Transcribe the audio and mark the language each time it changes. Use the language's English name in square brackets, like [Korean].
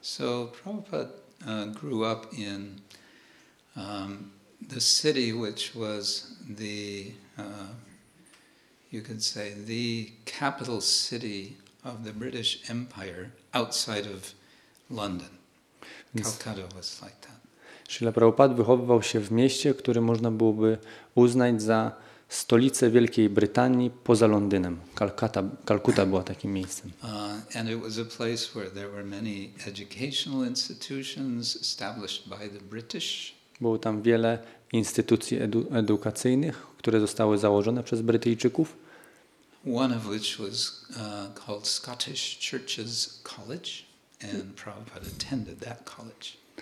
[English] So Prabhupada grew up in the city which was the, you could say, the capital city of the British Empire outside of London. Calcutta was like that. [Polish] Srila Prabhupada wychowywał się w mieście, które można byłoby uznać za stolicę Wielkiej Brytanii poza Londynem. Kalkuta była takim miejscem. [English] And it was a place where there were many educational institutions established by the British. [Polish] Było tam wiele instytucji edukacyjnych, które zostały założone przez Brytyjczyków. [English] One of which was called Scottish Churches College, and Prabhupada attended that college.